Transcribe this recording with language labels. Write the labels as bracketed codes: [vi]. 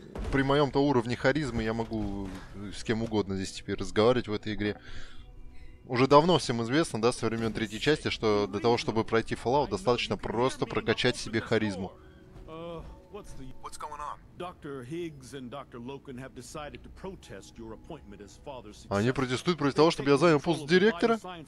[ru] При моем-то уровне харизмы я могу с кем угодно здесь теперь разговаривать в этой игре. Уже давно всем известно, да, со времен третьей части, что для того, чтобы пройти Fallout, достаточно просто прокачать себе харизму. [en] What's going on? Dr. Higgs and Dr. Loken have decided to protest your appointment as father's successor. [ru] Они протестуют против того, чтобы я занял пост директора?